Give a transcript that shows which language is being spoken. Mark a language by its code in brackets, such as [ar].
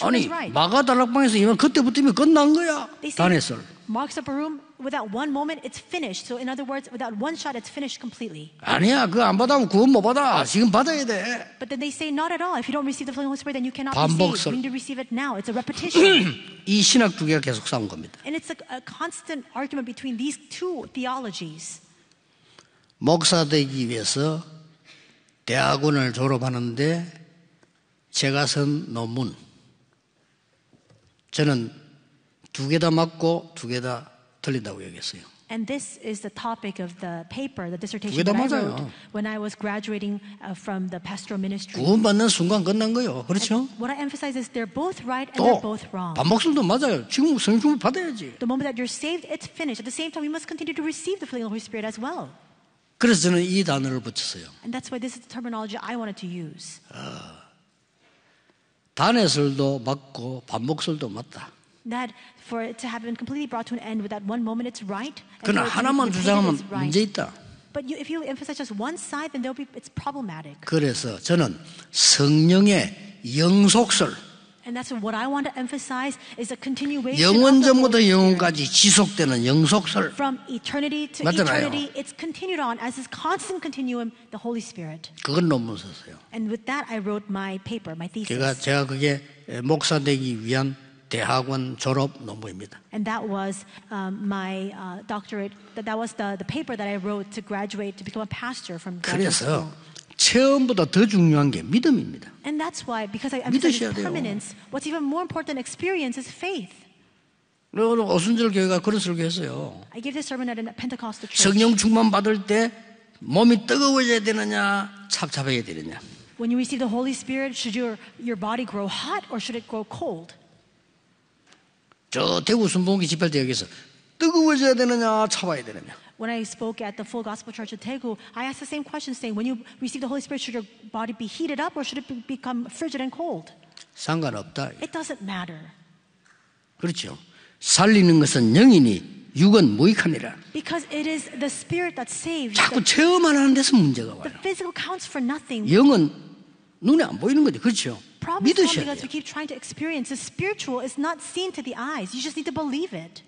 [ko] 아니, [en] one is right. [ko] 마가 다락방에서 이만 그때부터 이미 끝난 거야. 단회설. [en] Marks up a room without one moment, it's finished. So in other words, without one shot, it's finished completely. [ko] 아니야, 그거 안 받아면 구원 못 받아. 지금 받아야 돼. [en] But then they say not at all. If you don't receive the filling of the Spirit, then you cannot [ko] 반복설. [en] Be saved. We need to receive it now. It's a repetition. [ko] 이 신학 두 개가 계속 싸운 겁니다. [en] And it's a constant argument between these two theologies. [ko] 목사 되기 위해서 대학원을 졸업하는데 제가 쓴 논문. 저는 두 개 다 맞고 두 개 다 틀린다고 얘기했어요. [en] And this is the topic of the paper, the dissertation that I wrote when I was graduating from the pastoral ministry. [ko] 구원 받는 순간 끝난 거예요. 그렇죠? [en] And what I emphasize is they're both right and they're both wrong. [ko] 반복설도 맞아요. 지금 성령 충만 받아야지. [en] The moment that you're saved, it's finished. At the same time, you must continue to receive the filling of the Holy Spirit as well. [ko] 그래서 저는 이 단어를 붙였어요. [en] And that's why this is the terminology I wanted to use. [ko] 단회설도 맞고 반복설도 맞다. [en] That for it to have been completely brought to an end with that one moment, it's right. [ko] 그러나 하나만 주장하면 문제 있다. [en] But if you emphasize just one side, then there'll be it's problematic. [ko] 그래서 저는 성령의 영속설. [en] And that's what I want to emphasize is a continuation. [ko] 영원전부터 영원까지 지속되는 영속설. [en] From eternity to [ko] 맞잖아요. [en] Eternity, it's continued on as this constant continuum, the Holy Spirit. [ko] 그건 논문 썼어요. [en] And with that, I wrote my paper, my thesis. [ko] 제가 그게 목사 되기 위한 대학원 졸업 논문입니다. [en] And that was my doctorate. That was the paper that I wrote to graduate to become a pastor from graduate school. [ko] 그래서 체험보다 더 중요한 게 믿음입니다. [en] And that's why, because I emphasize permanence, what's even more important than experience is faith. [ko] 오순절 교회가 그런 설교 했어요. [en] I gave this sermon at a Pentecostal church. [ko] 성령 충만 받을 때 몸이 뜨거워져야 되느냐, 찹찹해야 되느냐. [en] When you receive the Holy Spirit, should your body grow hot or should it grow cold? [ko] 저 대구 순봉기 집회 때 여기서 뜨거워져야 되느냐, 차와야 되느냐. [en] When I spoke at the Full Gospel Church of Daegu, I asked the same question, saying, when you receive the Holy Spirit, should your body be heated up or should it become frigid and cold? [ko] 상관없다. [en] It doesn't matter. [ko] 그렇죠. 살리는 것은 영이니 육은 무익하니라. [en] Because it is the Spirit that saves. [ko] 자꾸 체험 안 하는 데서 문제가 와요. [en] The physical counts for nothing. [ko] 영은 눈에 안 보이는 거죠, 그렇죠? [en] Problem is because we keep trying to experience. The spiritual is not seen to the eyes. You just need to believe it.